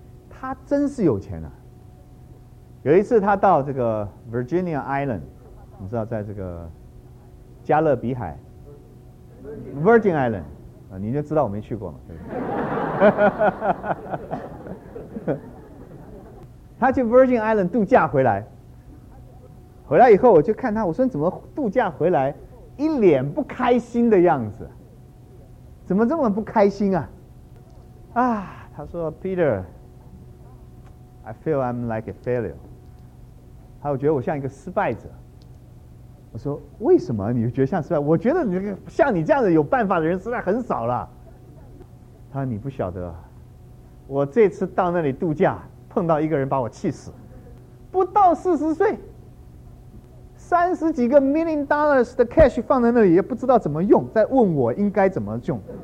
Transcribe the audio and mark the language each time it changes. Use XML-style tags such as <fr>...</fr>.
<zh>他真是有钱啊。有一次他到这个 Virginia Island， 你知道在这个加勒比海 Virgin Island， 你就知道我没去过嘛，对不对？他去 Virgin Island 度假回来，回来以后我就看他，我说你怎么度假回来一脸不开心的样子，怎么这么不开心啊？啊，他说</zh> <en>Peter， I feel I'm like a failure。</en> <zh>他说我觉得我像一个失败者。我说为什么你觉得像失败？我觉得你像你这样子有办法的人实在很少了。他说你不晓得，我这次到那里度假碰到一个人把我气死，不到四十岁，三十几个</zh> <en>million dollars</en> <zh>的 cash 放在那里也不知道怎么用，在问我应该怎么用。</zh>